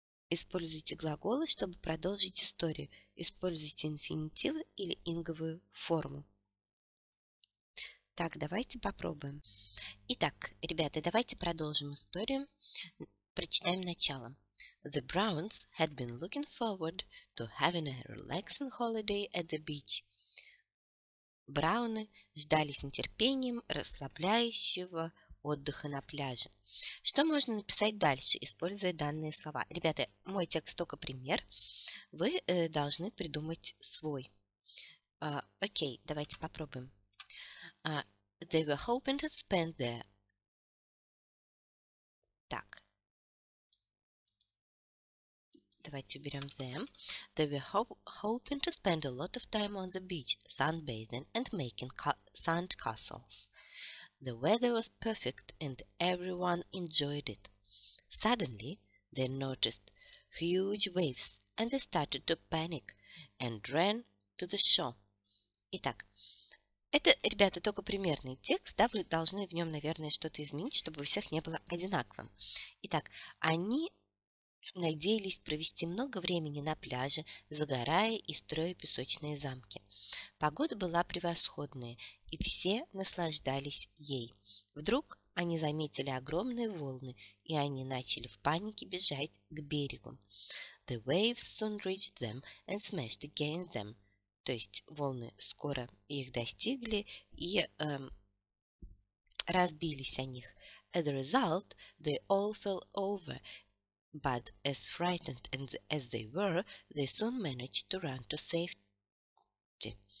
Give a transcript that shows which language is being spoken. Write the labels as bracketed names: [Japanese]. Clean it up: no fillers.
[Russian] Используйте глаголы, чтобы продолжить историю. Используйте инфинитивы или инговую форму. Так, давайте попробуем. Итак, ребята, давайте продолжим историю. Прочитаем начало. [English] The Browns had been looking forward to having a relaxing holiday at the beach. [Russian] Брауны ждали с нетерпением расслабляющего отдыха на пляже. Что можно написать дальше, используя данные слова? Ребята, мой текст только пример. Вы должны придумать свой. Окей, давайте попробуем. [English] They were hoping to spend there. [Russian] Так. Давайте уберем them. [English] They were hoping to spend a lot of time on the beach, sunbathing and making sand castles. The weather was perfect and everyone enjoyed it. Suddenly, they noticed huge waves and they started to panic and ran to the shore. [Russian] Итак, это, ребята, только примерный текст, да, вы должны в нем, наверное, что-то изменить, чтобы у всех не было одинаковым. Итак, они надеялись провести много времени на пляже, загорая и строя песочные замки. Погода была превосходная, и все наслаждались ей. Вдруг они заметили огромные волны, и они начали в панике бежать к берегу. [English] The waves soon reached them and smashed against them. [Russian] То есть волны скоро их достигли и разбились о них. [English] As a result, they all fell over. But as frightened as they were, they soon managed to run to safety.